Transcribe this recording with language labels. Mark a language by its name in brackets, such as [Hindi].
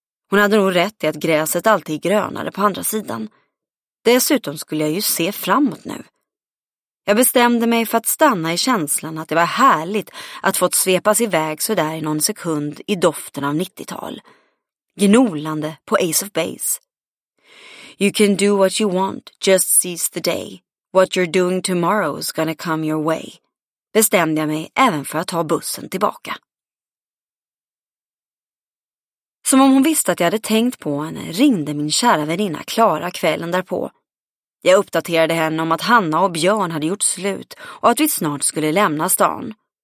[Swedish] Hon hade nog rätt i att gräset alltid är grönare på andra sidan. Dessutom skulle jag ju se framåt nu. Jag bestämde mig för att stanna i känslan att det var härligt att fått svepas iväg så där i någon sekund i doften av 90-tal. Gnolande på Ace of Base. [English] You can do what you want, just seize the day. What you're doing tomorrow is gonna come your way. [Swedish] Bestämde jag mig även för att ta bussen tillbaka. Som om hon visste att jag hade tänkt på henne ringde min kära väninna Klara kvällen därpå. Jag uppdaterade henne om att Hanna och Björn hade gjort slut och att vi snart skulle lämna stan.